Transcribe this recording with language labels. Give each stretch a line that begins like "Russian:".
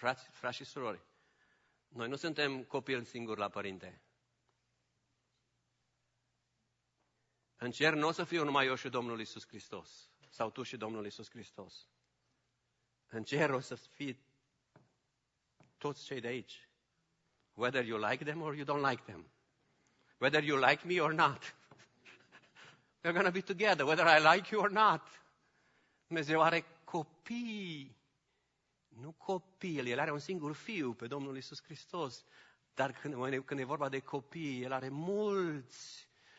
Romanian: Frați și surori, noi nu suntem copil singur la părinte. În cer nu o să fiu numai eu și Domnul Iisus Hristos, sau tu și Domnul Iisus Hristos. În cer o să fii toți cei de aici.
English: Whether you like them or you don't like them. Whether you like me or not. We're going to be together, whether I like you or not.
Romanian: Dumnezeu are copii, nu copil. El are un singur fiu pe Domnul Iisus Hristos. Dar când e vorba de copii, El are mulți.